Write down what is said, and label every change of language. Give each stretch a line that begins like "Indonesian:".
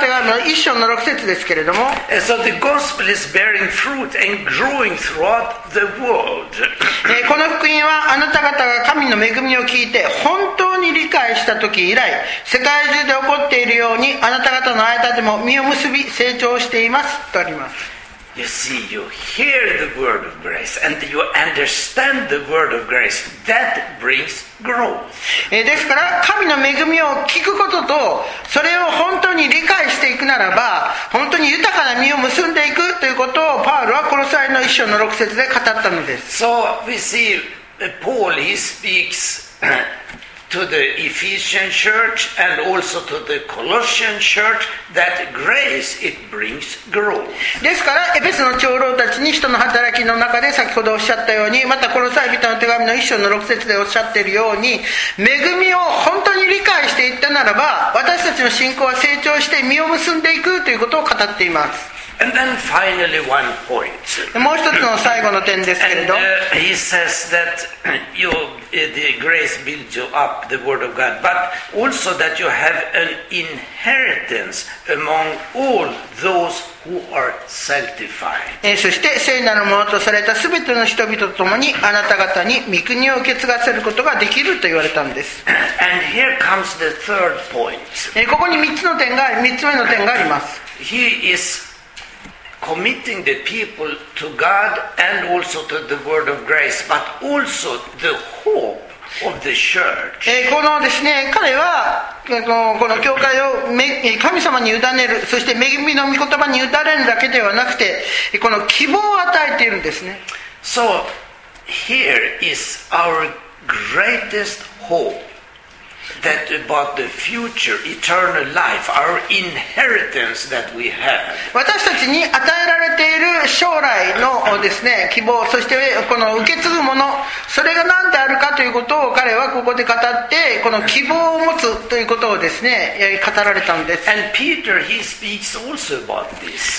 Japanese: 手紙の1章の6節ですけれども、この福音はあなた方が神の恵みを聞いて本当に理解した時以来、世界中で起こっているようにあなた方の間でも実を結び成長していますとあります。
English: You see, you hear the word of grace and you understand the word of grace. That brings growth.
Japanese: ですから、神の恵みを聞くことと、それを本当に理解していくならば、本当に豊かな実を結んでいくということを、パウロはコロサイの1章の6節で語ったのです。
English: So we see Paul, he speaks to the Ephesian church and also to the Colossian church that grace it brings growth.
Japanese: ですから、エペソの長老たちに人の働きの中で先ほどおっしゃったように、またコロサイ人の手紙の1章の6節でおっしゃっているように、恵みを本当に理解していったならば、私たちの信仰は成長して実を結んでいくということを語っています。
English: And then finally one point.
Japanese: もう一つの最後の点ですけれど、
English: he says that you, the grace builds you up, the word of God, but also that you have an inheritance among all those who are sanctified.
Japanese: そして聖なるものとされた全ての人々とともにあなた方に御国を受け継がせることができると言われたんです。
English: And here comes the third point.
Japanese: ここに3つ目の点があります。
English: He is committing the people to God and also to the word of grace, but also the hope of the church.
Japanese: このですね、彼はこの教会を神様に委ねる、そして恵みの御言葉に委ねるだけではなくて、この希望を与えているんですね。
English: So here is our greatest hope. That about the future, eternal life, our inheritance that we have.
Japanese: 私たちに与えられている将来のですね、希望、そしてこの受け継ぐもの、それが何であるかということを彼はここで語って、この希望を持つということをですね、語られたんです。
English: And Peter, he speaks also about this.